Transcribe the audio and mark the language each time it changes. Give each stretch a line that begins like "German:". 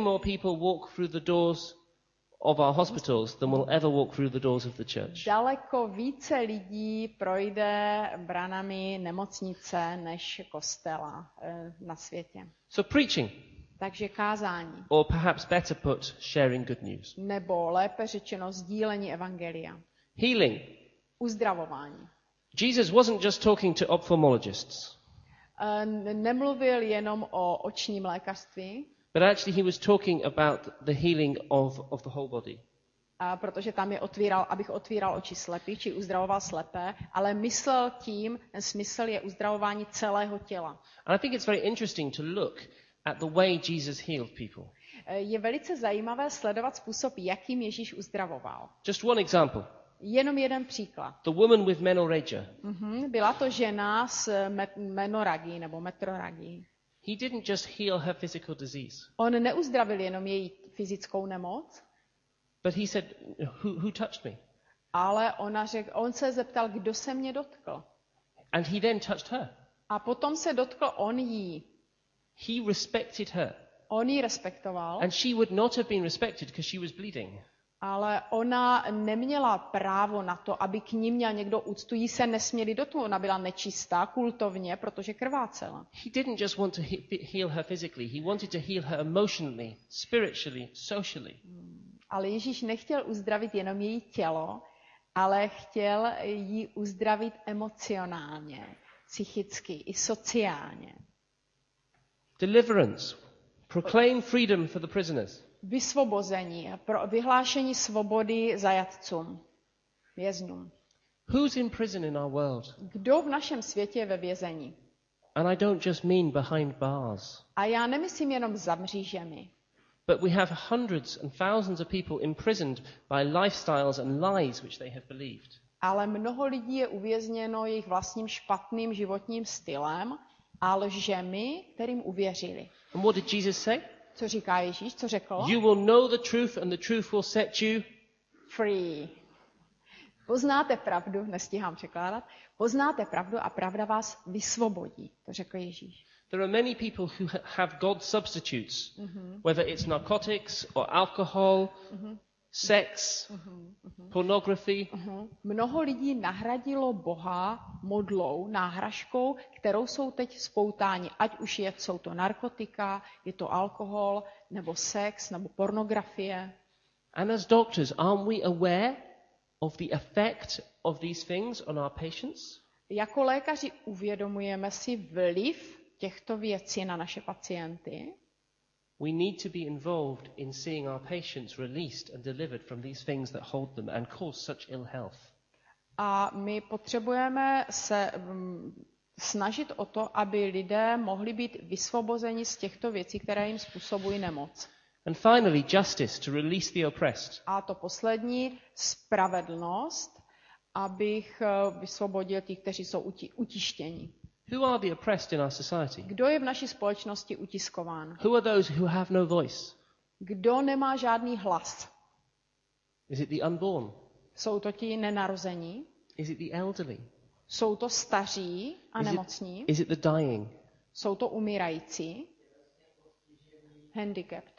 English: more people walk through the doors of our hospitals than will ever walk through the doors of the church.
Czech: Daleko více lidí projde branami nemocnice než kostela na světě.
English: So preaching.
Czech: Takže kázání.
English: Or perhaps better put, sharing good news.
Czech: Nebo lépe řečeno sdílení evangelia.
English: Healing.
Czech: Uzdravování.
English: Jesus wasn't just talking to ophthalmologists.
Czech: Nemluvil jenom o očním lékařství.
English: But actually he was talking about the healing of the whole body.
Czech: Protože tam je otvíral, abych otvíral oči slepých, či uzdravoval slepé, ale myslel tím, ten smysl je uzdravování celého těla.
English: And I think it's very interesting to look at the way Jesus healed people.
Czech: Je velice zajímavé sledovat způsob, jakým Ježíš uzdravoval.
English: Just one example.
Czech: Jenom jeden příklad.
English: The woman with menorrhagia.
Czech: Byla to žena s menorragií nebo metrorragií.
English: He didn't just heal her physical disease.
Czech: On neuzdravil jenom její fyzickou nemoc.
English: But he said, who touched me?
Czech: Ale ona řekl, on se zeptal, kdo se mě dotkl.
English: And he then touched her.
Czech: A potom se dotkl on jí.
English: He respected her.
Czech: On ji respektoval.
English: And she would not have been respected because she was bleeding.
Czech: Ale ona neměla právo na to, aby k ní měl někdo úctu, jí se nesměli do toho. Ona byla nečistá kultovně, protože krvácela.
English: He didn't just want to heal her physically, he wanted to heal her emotionally, spiritually, socially.
Czech: Ale Ježíš nechtěl uzdravit jenom její tělo, ale chtěl ji uzdravit emocionálně, psychicky i sociálně.
English: Deliverance. Proclaim freedom for the prisoners.
Czech: Vysvobození, pro vyhlášení svobody zajatcům, vězňům.
English: Who's in prison in our world?
Czech: Kdo v našem světě je ve vězení?
English: And I don't just mean behind bars.
Czech: A já nemyslím jenom za mřížemi.
English: But we have hundreds and thousands of people imprisoned by lifestyles and lies which they have believed.
Czech: Ale mnoho lidí je uvězněno jejich vlastním špatným životním stylem a lžemi, kterým uvěřili.
English: And what did Jesus say?
Czech: Co říká Ježíš, co řekl?
English: You will know the truth and the truth will set you free.
Czech: Poznáte pravdu, nestíhám překládat. Poznáte pravdu a pravda vás vysvobodí, to řekl Ježíš.
English: There are many people who have God substitutes, whether it's narcotics or alcohol, sex, pornography.
Czech: Mnoho lidí nahradilo Boha modlou, náhražkou, kterou jsou teď spoutáni, ať už je, jsou to narkotika, je to alkohol, nebo sex, nebo pornografie.
English: And as doctors, aren't we aware of the effect of these things on our patients?
Czech: Jako lékaři uvědomujeme si vliv těchto věcí na naše pacienty.
English: We need to be involved in seeing our patients released and delivered from these things that hold them and cause such ill health.
Czech: A my potřebujeme se snažit o to, aby lidé mohli být vysvobozeni z těchto věcí, které jim způsobují nemoc.
English: And finally, justice to release the oppressed.
Czech: A to poslední, spravedlnost, abych vysvobodil těch, kteří jsou utištěni.
English: Who are the oppressed in our society?
Czech: Kdo je v naší společnosti utiskován?
English: Who are those who have no voice?
Czech: Kdo nemá žádný hlas?
English: Is it the unborn?
Czech: Jsou to ti nenarození?
English: Is it the elderly?
Czech: Jsou to staří a nemocní?
English: Is it the dying?
Czech: Jsou to umírající? Handicapped.